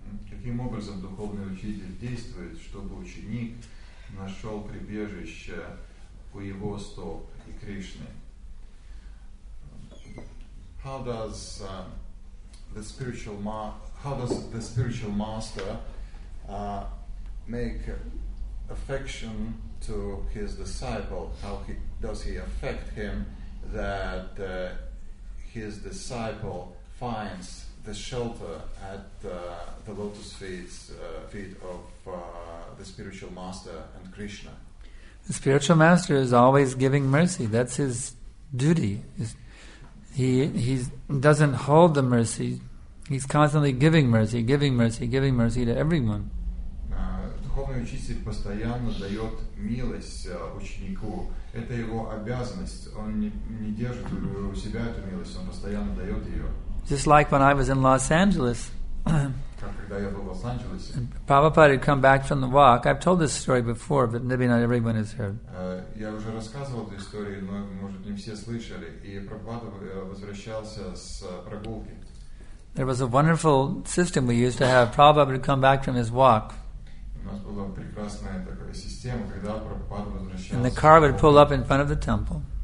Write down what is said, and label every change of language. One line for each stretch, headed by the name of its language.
Russian: Каким образом духовный учитель действует, чтобы ученик нашел прибежище у его стоп и Кришны?
English: How does the spiritual master make affection to his disciple? How does he affect him that his disciple finds the shelter at the lotus feet of the spiritual master and Krishna? The spiritual master is always giving mercy. That's his duty. He doesn't hold the mercy. He's constantly giving mercy, giving mercy, giving mercy to everyone.
Russian: Духовный учитель постоянно дает милость ученику. Это его обязанность. Он не держит у себя эту милость, он постоянно дает ее.
English: Just like when I was in Los Angeles.
Russian: Когда я был в Лос-Анджелесе.
English: Prabhupada had come back from the walk. I've told this story before, but maybe not everyone has heard.
Russian: Я уже рассказывал эту историю, но, может, не все слышали. И Прабхупада возвращался с прогулки.
English: There was a wonderful system we used to have. Prabhupada would come back from his walk. And the car would pull up in front of the temple.